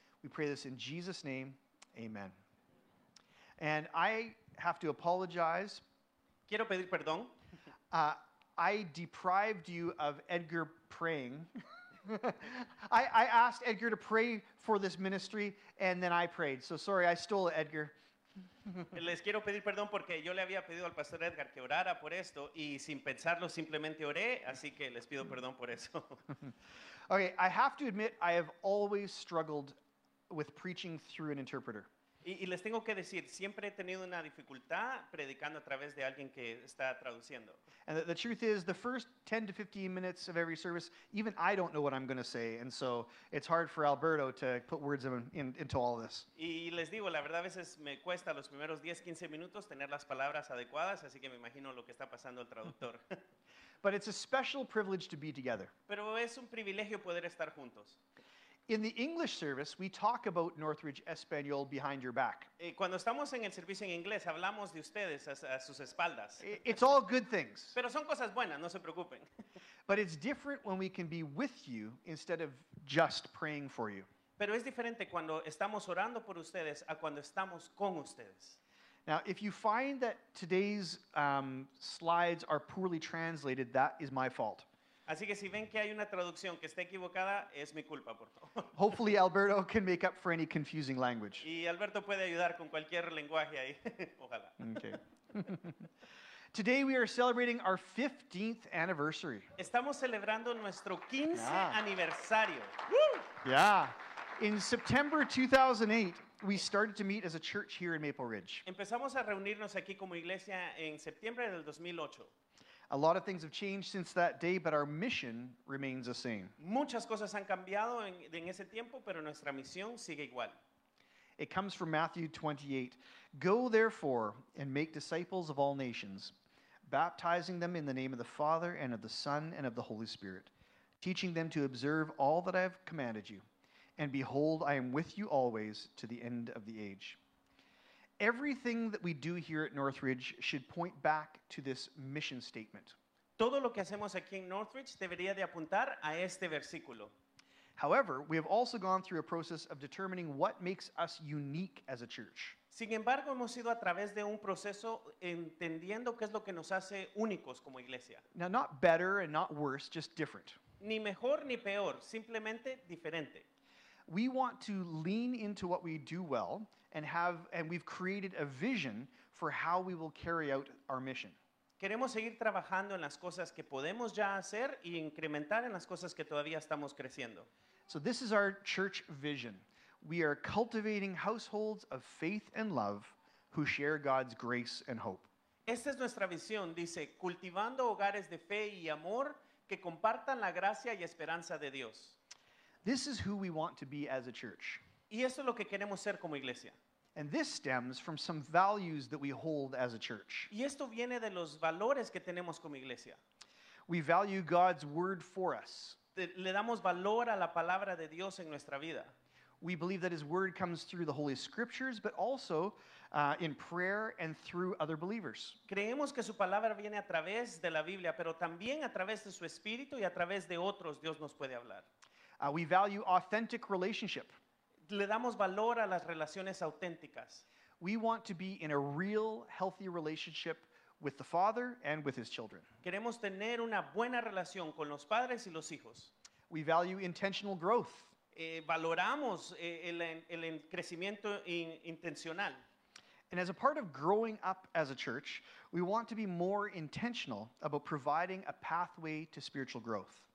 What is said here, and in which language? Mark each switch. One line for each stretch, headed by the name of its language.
English: We pray this in Jesus' name. Amen. And I have to apologize.
Spanish: Quiero pedir perdón.
English: I deprived you of Edgar praying. I asked Edgar to pray for this ministry, and then I prayed. So sorry, I stole it, Edgar.
Spanish: Les quiero pedir perdón porque yo le había pedido al pastor Edgar que orara por esto, y sin pensarlo simplemente oré, así que les pido perdón por eso.
English: Okay, I have to admit I have always struggled with preaching through an interpreter.
Spanish: Y les tengo que decir, siempre he tenido una dificultad predicando a través de alguien que está traduciendo.
English: And the truth is, the first 10 to 15 minutes of every service, even I don't know what I'm going to say, and so it's hard for Alberto to put words into all this.
Spanish: Y les digo, la verdad, a veces me cuesta los primeros 10, 15 minutos tener las palabras adecuadas, así que me imagino lo que está pasando el traductor.
English: But it's a special privilege to be together.
Spanish: Pero es un privilegio poder estar juntos.
English: In the English service, we talk about Northridge Español behind your back.
Spanish: Cuando estamos en el servicio en inglés, hablamos de ustedes a sus espaldas.
English: It's all good things.
Spanish: Pero son cosas buenas, no se preocupen.
English: But it's different when we can be with you instead of just praying for you.
Spanish: Pero es diferente cuando estamos orando por ustedes a cuando estamos con ustedes.
English: Now, if you find that today's slides are poorly translated, that is my fault.
Spanish: Así que si ven que hay una traducción que está equivocada, es mi culpa, por favor.
English: Hopefully Alberto can make up for any confusing language.
Spanish: Y Alberto puede ayudar con cualquier lenguaje ahí, ojalá.
English: Okay. Today we are celebrating our 15th anniversary.
Spanish: Estamos celebrando nuestro 15 aniversario.
English: Yeah. In September 2008, we started to meet as a church here in Maple Ridge.
Spanish: Empezamos a reunirnos aquí como iglesia en septiembre del 2008.
English: A lot of things have changed since that day, but our mission remains the same.
Spanish: Muchas cosas han cambiado en ese tiempo, pero nuestra misión sigue igual.
English: It comes from Matthew 28. Go therefore and make disciples of all nations, baptizing them in the name of the Father and of the Son and of the Holy Spirit, teaching them to observe all that I have commanded you. And behold, I am with you always to the end of the age. Everything that we do here at Northridge should point back to this mission statement.
Spanish: Todo lo que hacemos aquí en Northridge debería de apuntar a este versículo.
English: However, we have also gone through a process of determining what makes us unique as a church.
Spanish: Sin embargo, hemos ido a través de un proceso entendiendo qué es lo que nos hace únicos como iglesia.
English: Now, not better and not worse, just different.
Spanish: Ni mejor ni peor, simplemente diferente.
English: We want to lean into what we do well and we've created a vision for how we will carry out our mission.
Spanish: Queremos seguir trabajando en las cosas que podemos ya hacer y incrementar en las cosas que todavía estamos creciendo.
English: So this is our church vision. We are cultivating households of faith and love who share God's grace and hope.
Spanish: Esta es nuestra visión, dice, cultivando hogares de fe y amor que compartan la gracia y esperanza de Dios.
English: This is who we want to be as a church.
Spanish: Y eso es lo que queremos ser como iglesia.
English: And this stems from some values that we hold as a church.
Spanish: Y esto viene de los valores que tenemos como iglesia.
English: We value God's word for us.
Spanish: Le damos valor a la palabra de Dios en nuestra vida.
English: We believe that his word comes through the Holy Scriptures, but also in prayer and through other believers.
Spanish: Creemos que su palabra viene a través de la Biblia, pero también a través de su espíritu y a través de otros Dios nos puede hablar.
English: We value authentic relationship.
Spanish: Le damos valor a las relaciones auténticas.
English: We want to be in a real, healthy relationship with the Father and with his children.
Spanish: Queremos tener una buena relación con los padres y los hijos.
English: We value intentional growth.
Spanish: Valoramos el crecimiento intencional.
English: And as a part of growing up as a church, we want to be more intentional about providing a pathway to spiritual growth.